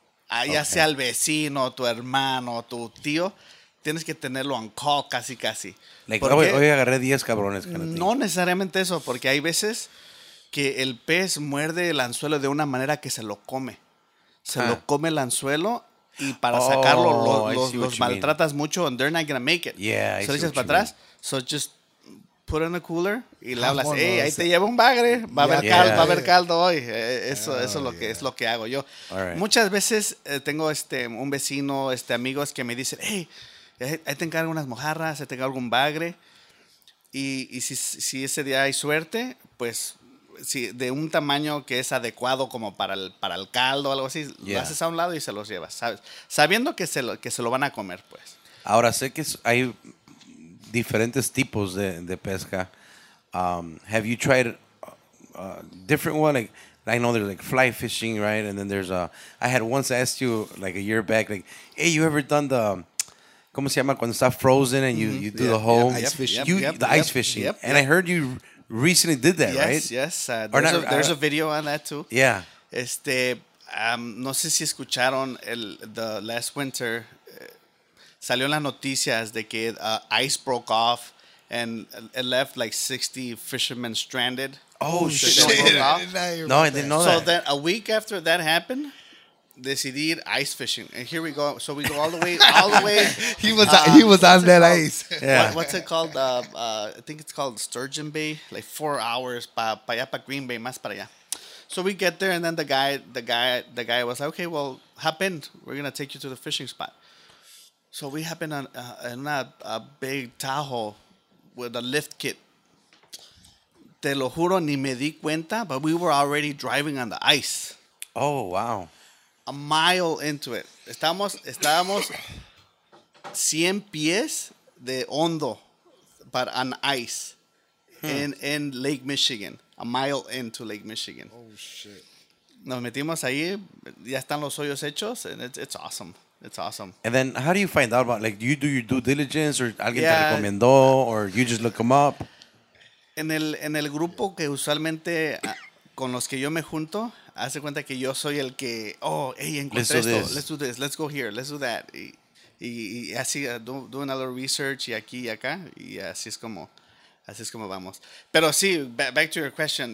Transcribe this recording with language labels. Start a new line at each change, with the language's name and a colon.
Spanish: Sea el vecino, tu hermano, tu tío, tienes que tenerlo
English: on call
Spanish: casi, casi. Hoy agarré 10 cabrones. No necesariamente eso, porque hay veces que el pez muerde el anzuelo de una manera que se lo come. Lo come el anzuelo. Y para sacarlo, los maltratas mucho,
English: and they're not going to make it. Yeah,
Spanish: so, dices para atrás,
English: so just put in a cooler
Spanish: y le hablas, hey, ahí te lleva un bagre, va a haber caldo hoy. Eso es lo que hago yo.
English: Right.
Spanish: Muchas veces tengo un vecino, amigos que me dicen, hey, ahí te encargo unas mojarras, ahí te encargo un bagre. Y si ese día hay suerte, pues si de un tamaño que es adecuado como para el caldo o algo así, lo haces a un lado y se los llevas, ¿sabes? Sabiendo que se lo van a comer, pues. Ahora, sé que hay diferentes tipos de pesca.
English: Have you tried a different one? Like, I know there's like fly fishing, right? And then there's I had once asked you like a year back, like, hey, you ever done the,
Spanish: ¿cómo se llama? Cuando está
English: frozen and you do the whole ice fishing. Ice fishing. Yep, and I heard you recently did that, yes, right? Yes, there's a video on that too. Yeah.
Spanish: No sé si escucharon
English: the last winter,
Spanish: salió en las noticias de que
English: ice broke off and it left like 60 fishermen stranded. Oh, shit. I didn't know that. So then a week after that happened, decidir ice fishing. And here we go. So we go all the way. he was on that called? Ice. Yeah. What, what's it called? I think it's called Sturgeon Bay. Like 4 hours
Spanish: pa allá, pa Green Bay, más para allá.
English: So we get there and then the guy was like, okay, well, hop in. We're going to take you to the fishing spot. So we hop in a big Tahoe with a lift kit.
Spanish: Te lo juro, ni me di cuenta,
English: but we were already driving on the ice. Oh, wow. A mile into it.
Spanish: Estábamos 100 pies de hondo,
English: but on ice, in Lake Michigan. A mile into Lake Michigan. Oh, shit.
Spanish: Nos metimos ahí, ya están los hoyos hechos,
English: and it's awesome. It's awesome. And then how do you find out about, like, do you do your due diligence, or
Spanish: alguien te recomendó,
English: or you just look them up?
Spanish: En el grupo que usualmente con los que yo me junto, hace cuenta que yo soy el que, oh, hey, encontré esto.
English: Let's do this. Let's go here. Let's do that.
Spanish: Y así,
English: doing a little research
Spanish: y aquí y acá. Y así es como vamos. Pero sí,
English: back to your question.